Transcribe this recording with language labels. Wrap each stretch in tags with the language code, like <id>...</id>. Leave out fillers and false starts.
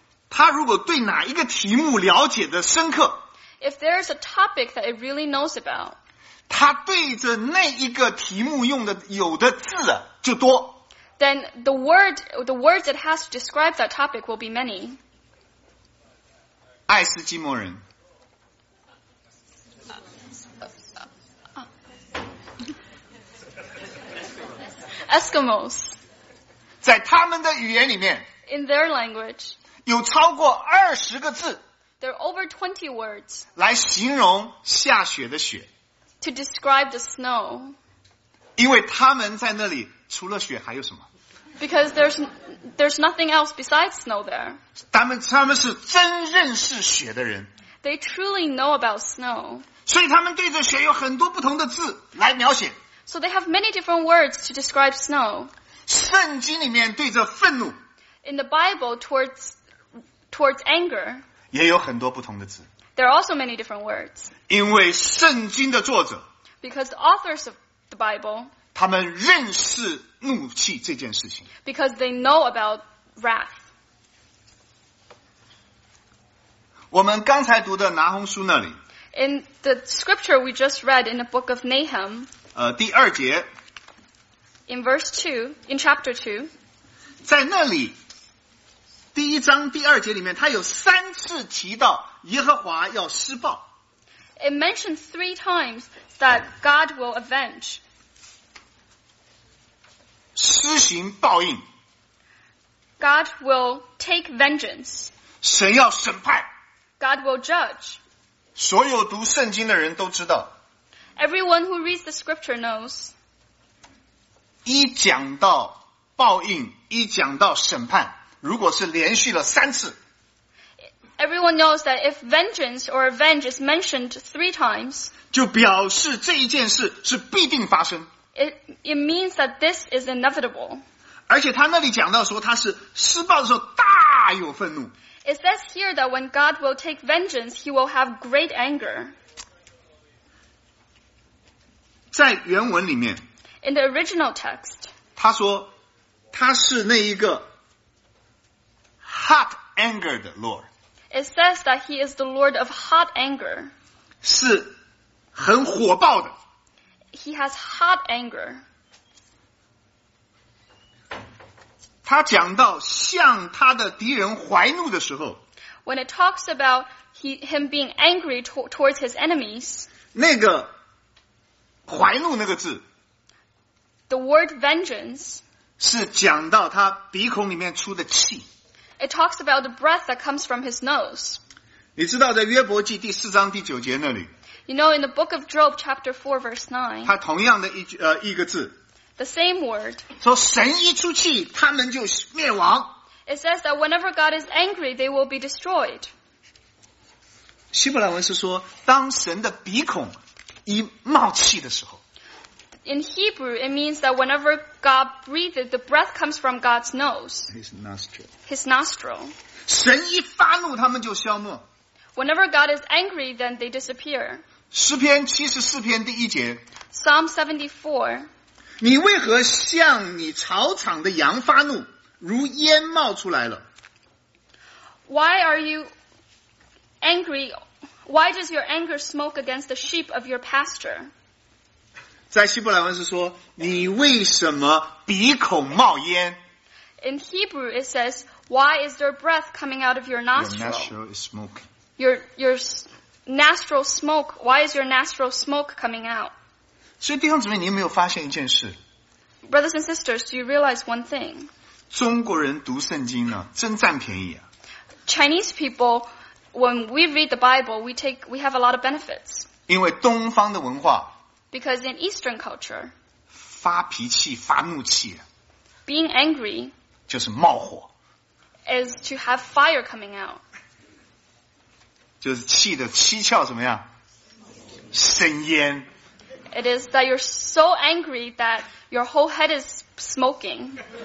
<zh>他如果对哪一个题目了解的深刻，</zh> <en>If there is a topic that it really knows about,</en> <zh>他对着那一个题目用的有的字啊就多，</zh> <en>Then the words it has to describe that topic will be many.</en> <zh>爱斯基摩人</zh> <en>Eskimos,</en> <zh>在他们的语言里面</zh> <en>in their language,</en> <zh>有超过二十个字</zh> <en>there are over 20 words,</en> <zh>来形容下雪的雪</zh> <en>to describe the snow,</en> <zh>因为他们在那里除了雪还有什么</zh> <en>because there's nothing else besides snow there,</en> <zh>他们是真认识雪的人</zh> <en>they truly know about snow,</en> <zh>所以他们对着雪有很多不同的字来描写。</zh> <en>So they have many different words to describe snow.</en> <zh>圣经里面对着愤怒，</zh> <en>In the Bible, towards anger,</en> <zh>也有很多不同的字。</zh> <en>There are also many different words.</en> <zh>因为圣经的作者，</zh> <en>Because the authors of the Bible,</en> <zh>他们认识怒气这件事情，</zh> <en>Because they know about wrath.</en> <zh>我们刚才读的拿鸿书那里，</zh> <en>In the scripture we just read in the book of Nahum,</en> <zh>第二节</zh> <en>In verse 2, in chapter 2,</en> <zh>在那里第一章第二节里面他有三次提到耶和华要施暴。</zh> <en>It mentions three times that God will avenge.</en> <zh>施行报应。</zh> <en>God will take vengeance.</en> <zh>神要审判。</zh> <en>God will judge.</en> <zh>所有读圣经的人都知道。</zh> <en>Everyone who reads the scripture knows.</en> <zh>一讲到报应，一讲到审判，如果是连续了三次。</zh> <en>Everyone knows that if vengeance or revenge is mentioned three times,</en> <zh>就表示这一件事是必定发生。</zh> <en>It means that this is inevitable.</en> <zh>而且他那里讲到说他是施暴的时候大有愤怒。</zh> <en>It says here that when God will take vengeance, he will have great anger.</en> <zh>在原文里面</zh> <en>In the original text,</en> <zh>他说他是那一个</zh> <en>hot angered Lord. It says that he is the Lord of hot anger.</en> <zh>是很火爆的。</zh> <en>He has hot anger.</en> <zh>他讲到向他的敌人怀怒的时候。</zh> <en>When it talks about him being angry towards his enemies.</en> <zh>那个怀怒那个字。</zh> <en>The word vengeance.</en> <zh>是讲到他鼻孔里面出的气。</zh> <en>It talks about the breath that comes from his nose.</en> <zh>你知道在约伯记第四章第九节那里。</zh> <en>You know, in the book of Job, chapter 4, verse 9.</en> <zh>他同样的 一个字。</zh> <en>The same word.</en> <zh>说神一出气他们就灭亡。</zh> <en>It says that whenever God is angry, they will be destroyed.</en> <zh>希伯来文是说当神的鼻孔一冒气的时候。</zh> <en>In Hebrew, it means that whenever God breathes, the breath comes from God's nose. His nostril. His nostril.</en> <zh>神一发怒，他们就消没。</zh> <en>Whenever God is angry, then they disappear.</en> <zh>诗篇七十四篇第一节。</zh> <en>Psalm 74.</en> <zh>你为何向你草场的羊发怒，如烟冒出来了</zh> <en>？Why are you angry? Why does your anger smoke against the sheep of your pasture?</en> <zh>在希伯来文是说你为什么鼻孔冒烟</zh> <en>In Hebrew it says Why is there breath coming out of your nostril? Your nostril is smoking. Your nostril smoke. Why is your nostril smoke coming out?</en> <zh>所以弟兄姊妹你有没有发现一件事</zh> <en>Brothers and sisters, do you realize one thing?</en> <zh>中国人读圣经呢真占便宜啊</zh> <en>Chinese people, when we read the Bible, we have a lot of benefits.</en> <zh>因为东方的文化</zh> <en>Because in Eastern culture,</en> <zh>发脾气发怒气</zh> <en>being angry</en> <zh>就是冒火</zh> <en>is to have fire coming out.</en> <zh>就是气的七窍怎么样生烟</zh> <en>It is that you're so angry that your whole head is smoking.</en>